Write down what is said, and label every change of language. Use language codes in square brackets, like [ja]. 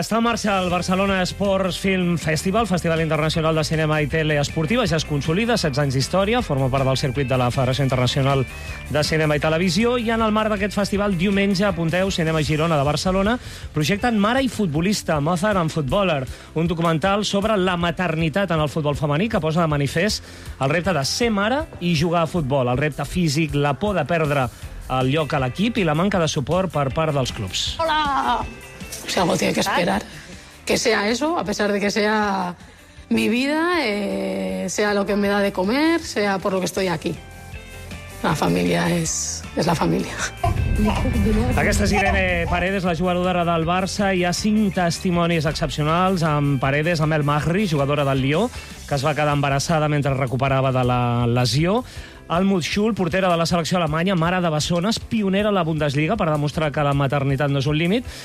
[ca] Està en marxa el Barcelona Sports Film Festival, Festival Internacional de Cinema i Tele Esportiva, ja es consolida, 16 anys d'història, forma part del circuit de la Federació Internacional de Cinema i Televisió, i en el marc d'aquest festival, diumenge, apunteu, Cinema Girona de Barcelona, projecten Mare i Futbolista, Mother and Footballer, un documental sobre la maternitat en el futbol femení que posa de manifest el repte de ser mare i jugar a futbol, el repte físic, la por de perdre el lloc a l'equip i la manca de suport per part dels clubs. [es] Hola! O sea, vos tenéis que esperar. Que sea eso, a pesar de que sea mi vida, sea lo que me da de comer, sea por lo que estoy aquí. La familia es la familia. [ca] Aquesta és Irene Paredes, la jugadora del Barça. Hi ha cinc testimonis excepcionals amb Paredes, amb El Mahri, jugadora del Lió, que es va quedar embarassada mentre recuperava de la lesió. Almut Schul, portera de la selecció alemanya, mare de bessones, pionera a la Bundesliga per demostrar que la maternitat no és un límit.